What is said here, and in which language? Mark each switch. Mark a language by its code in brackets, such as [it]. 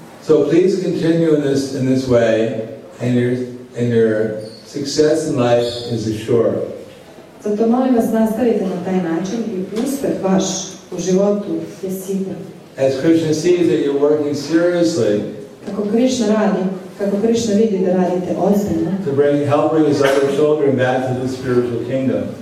[en] So please continue in this way and your success in life is assured. [sr] Zato molim vas nastavite na taj način i uspeh vaš u životu je siguran. [en] As Krishna sees that you're working seriously, [sr] kako Krishna radi, kako Krishna vidi da radite ozbiljno, [en] to bring help bring his other children back to the spiritual kingdom,